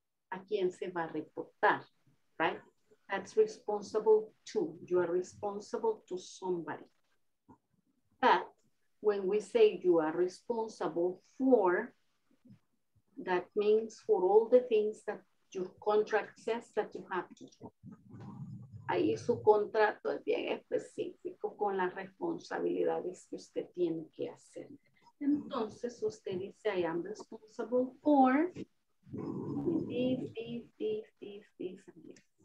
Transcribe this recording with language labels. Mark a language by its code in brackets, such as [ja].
[es] ¿A quién se va a reportar? [en] Right? That's responsible to. You are responsible to somebody. But when we say you are responsible for, that means for all the things that your contract says that you have to do. [es] Ahí su contrato es bien específico con las responsabilidades que usted tiene que hacer. Entonces usted dice, [en] I am responsible for this, this, this, this, this, and this.